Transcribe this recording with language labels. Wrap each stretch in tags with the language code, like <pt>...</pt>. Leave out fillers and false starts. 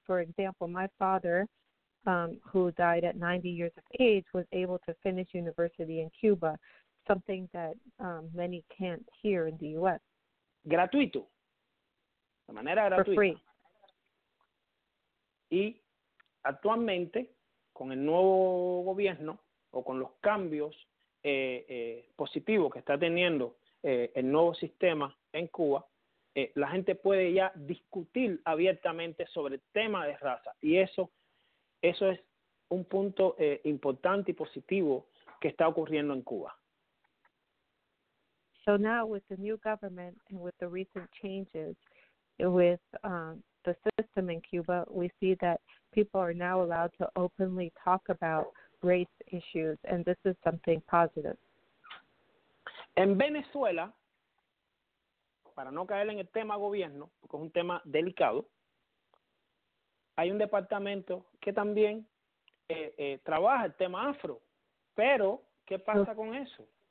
<en>For example, my father, who died at 90 years of age, was able to finish university in Cuba, something that many can't here in the U.S.</en> <es>Gratuito. De manera gratuita.</es> <en>For free.</en> <es>Y actualmente, con el nuevo gobierno o con los cambios positivos que está teniendo el nuevo sistema en Cuba, la gente puede ya discutir abiertamente sobre el tema de raza. Y eso es un punto importante y positivo que está ocurriendo en Cuba.</es> <en>So now with the new government and with the recent changes with the system in Cuba, we see that people are now allowed to openly talk about race issues, and this is something positive.</en> <es>En Venezuela, para no caer en el tema gobierno, porque es un tema delicado, hay un departamento que también trabaja el tema afro. Pero, ¿qué pasa con eso?</es>